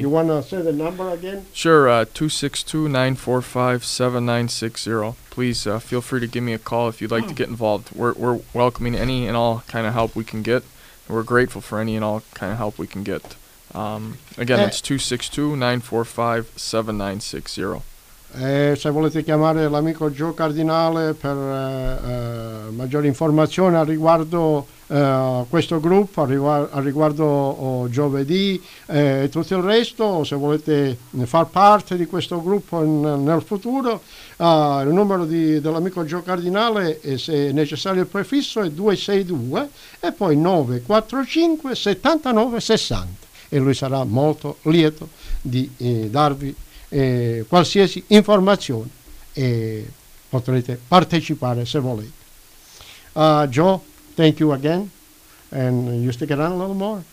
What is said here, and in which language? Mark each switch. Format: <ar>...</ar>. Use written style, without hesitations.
<en>You want to say the number again? Sure, 262-945-7960. Please feel free to give me a call if you'd like to get involved. We're welcoming any and all kind of help we can get. We're grateful for any and all kind of help we can get. Again, it's 262-945-7960.</en> <it>Se volete chiamare l'amico Joe Cardinale per maggiori informazioni a riguardo questo gruppo, a riguardo giovedì e tutto il resto, o se volete far parte di questo gruppo nel futuro, il numero dell'amico Joe Cardinale, e se necessario il prefisso, è 262 e poi 945 79 60, e lui sarà molto lieto di darvi qualsiasi informazione e potrete partecipare se volete.</it> <en>Joe, thank you again, and you stick around a little more.</en>